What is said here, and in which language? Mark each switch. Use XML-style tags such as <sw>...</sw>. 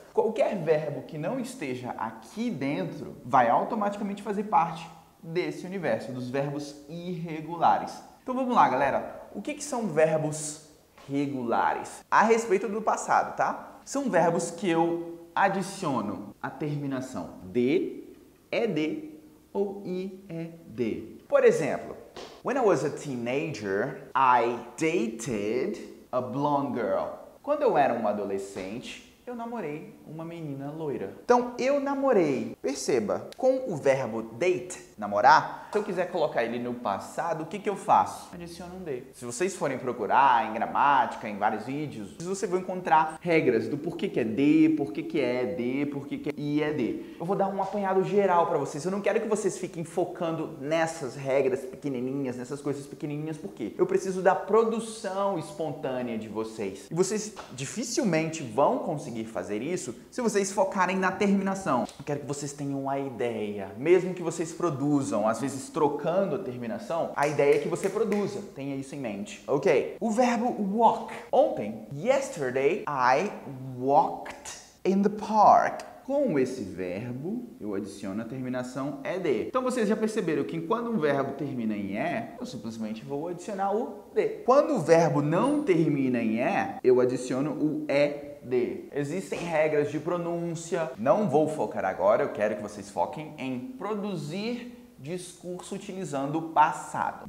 <pt>Qualquer verbo que não esteja aqui dentro vai automaticamente fazer parte desse universo, dos verbos irregulares. Então vamos lá, galera. O que, que são verbos regulares? A respeito do passado, tá? São verbos que eu adiciono a terminação de, ed ou ied. Por exemplo,</pt> <en>when I was a teenager, I dated a blonde girl.</en> <pt>Quando eu era um adolescente, eu namorei uma menina loira. Então, eu namorei. Perceba, com o verbo date, namorar, se eu quiser colocar ele no passado, o que, que eu faço? Adiciono um D. Se vocês forem procurar em gramática, em vários vídeos, vocês vão encontrar regras do porquê que é D, porquê que é D, porquê que é I é D. Eu vou dar um apanhado geral pra vocês. Eu não quero que vocês fiquem focando nessas regras pequenininhas, nessas coisas pequenininhas, porque eu preciso da produção espontânea de vocês. E vocês dificilmente vão conseguir fazer isso se vocês focarem na terminação. Eu quero que vocês tenham a ideia, mesmo que vocês produzam, às vezes trocando a terminação, a ideia é que você produza. Tenha isso em mente. Ok. O verbo walk. Ontem,</pt> <en>yesterday, I walked in the park.</en> <pt>Com esse verbo, eu adiciono a terminação ed. Então vocês já perceberam que quando um verbo termina em e, eu simplesmente vou adicionar o d. Quando o verbo não termina em e, eu adiciono o ed. Existem regras de pronúncia. Não vou focar agora, eu quero que vocês foquem em produzir discurso utilizando o passado.</pt>